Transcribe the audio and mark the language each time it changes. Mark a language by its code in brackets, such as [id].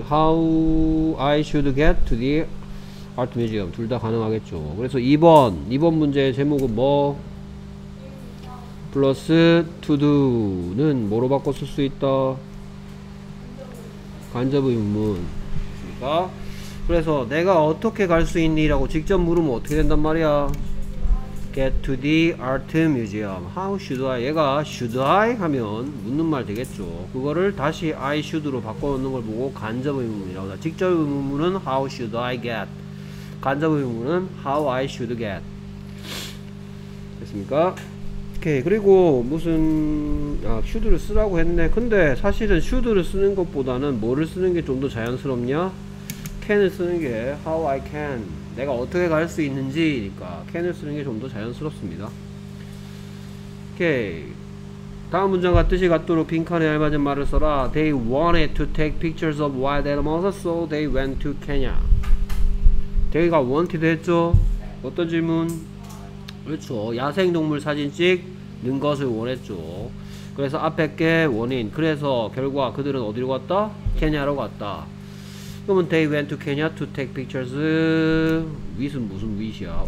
[en] How I should get to the art museum. [ko] 둘 다 가능하겠죠. 그래서 2번 문제의 제목은 뭐? 플러스 to do는 뭐로 바꿔 쓸 수 있다? 간접 의문. 그러니까 그래서 내가 어떻게 갈 수 있니? 라고 직접 물으면 어떻게 된단 말이야? [en] Get to the art museum. How should I? [ko] 얘가 [en] should I? [ko] 하면 묻는 말 되겠죠. 그거를 다시 I should로 바꿔놓는 걸 보고 간접 의문이라고. 직접 의문은 [en] How should I get? [ko] 간접 의문은 [en] How I should get? [ko] 됐습니까? 오케이. 그리고 무슨 should를 쓰라고 했네. 근데 사실은 should를 쓰는 것보다는 뭐를 쓰는 게 좀 더 자연스럽냐? can을 쓰는 게 [en] how I can [ko] 내가 어떻게 갈 수 있는지니까 can을 쓰는 게 좀 더 자연스럽습니다. 오케이. 다음 문장과 뜻이 같도록 빈칸에 알맞은 말을 써라. [en] They wanted to take pictures of wild animals so they went to Kenya. [ko] They가 wanted 했죠? 어떤 질문? 그렇죠. 야생동물 사진 찍는 것을 원했죠. 그래서 앞에 게 원인. 그래서 결과 그들은 어디로 갔다? 케냐로 갔다. 그러면 [en] they went to Kenya to take pictures with [ko] 은 무슨 with이야?